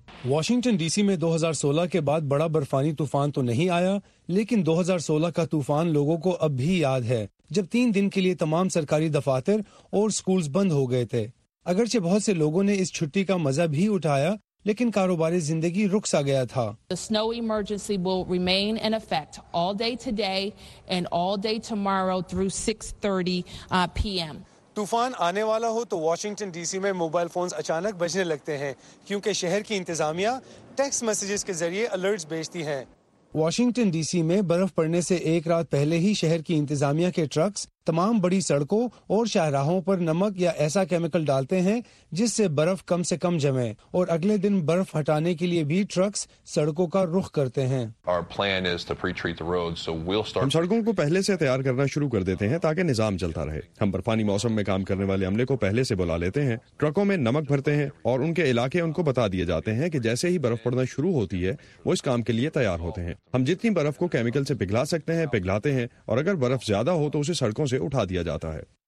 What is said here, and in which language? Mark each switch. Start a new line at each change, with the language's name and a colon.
Urdu: Washington D C میں 2016 کے بعد بڑا برفانی طوفان تو نہیں آیا، لیکن 2016 کا طوفان لوگوں کو اب بھی یاد ہے جب 3 دن کے لیے تمام سرکاری دفاتر اور سکولز بند ہو گئے تھے۔ اگرچہ بہت سے لوگوں نے اس چھٹی کا مزہ بھی اٹھایا لیکن کاروباری زندگی رک سا گیا تھا۔
English: The snow emergency will remain in effect all day today and all day tomorrow through 6:30 p.m.
Urdu: طوفان آنے والا ہو تو واشنگٹن ڈی سی میں موبائل فونز اچانک بجنے لگتے ہیں کیونکہ شہر کی انتظامیہ ٹیکسٹ میسجز کے ذریعے الرٹس بھیجتی ہیں۔ واشنگٹن ڈی سی میں برف پڑنے سے ایک رات پہلے ہی شہر کی انتظامیہ کے ٹرکس تمام بڑی سڑکوں اور شاہراہوں پر نمک یا ایسا کیمیکل ڈالتے ہیں جس سے برف کم سے کم جمے، اور اگلے دن برف ہٹانے کے لیے بھی ٹرکس سڑکوں کا رخ کرتے ہیں۔
English: Our plan is to pre-treat the road, so we'll start...
Urdu: ہم سڑکوں کو پہلے سے تیار کرنا شروع کر دیتے ہیں تاکہ نظام چلتا رہے۔ ہم برفانی موسم میں کام کرنے والے عملے کو پہلے سے بلا لیتے ہیں، ٹرکوں میں نمک بھرتے ہیں اور ان کے علاقے ان کو بتا دیے جاتے ہیں کہ جیسے ہی برف پڑنا شروع ہوتی ہے وہ اس کام کے لیے تیار ہوتے ہیں۔ ہم جتنی برف کو کیمیکل سے پگھلا سکتے ہیں پگھلاتے ہیں، اور اگر برف زیادہ ہو تو اسے سڑکوں سے اٹھا دیا جاتا ہے۔